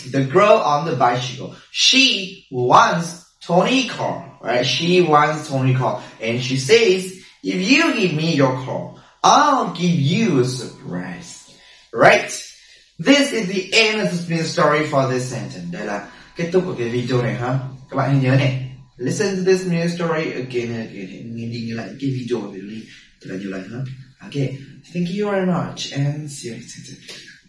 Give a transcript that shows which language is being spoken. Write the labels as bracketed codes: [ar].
[en] The girl on the bicycle. She wants Tony car, right? She wants Tony car. And she says, if you give me your car, I'll give you a surprise. Right? This is the end of the story for this sentence. [vi] Đây là kết thúc của cái video này, ha? Các bạn hãy nhớ này. [en] Listen to this new story again and again. [vi] Nghe đi nghe lại cái video này. Thật là nhiều lần, ha? [en] Okay. Thank you very much. And see you next time.